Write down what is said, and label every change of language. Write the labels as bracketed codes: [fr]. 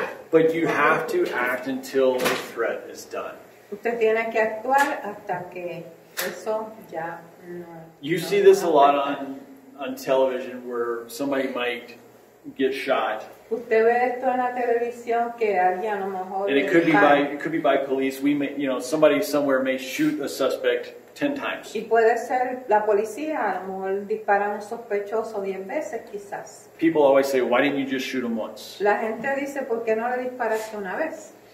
[en] But you have to act until the threat is done. [es] Usted tiene que actuar hasta que eso ya no, [en] you see this a lot on television where somebody might get shot. [es] Usted ve esto en la televisión que alguien a lo mejor. [en] And it could be by police. We may, you know, somebody somewhere may shoot a suspect 10 times. [es] Y puede ser la policía, a lo mejor dispara un sospechoso 10 veces quizás. [en] People always say, why didn't you just shoot him once? [es] La gente dice, ¿por qué no le disparaste una vez?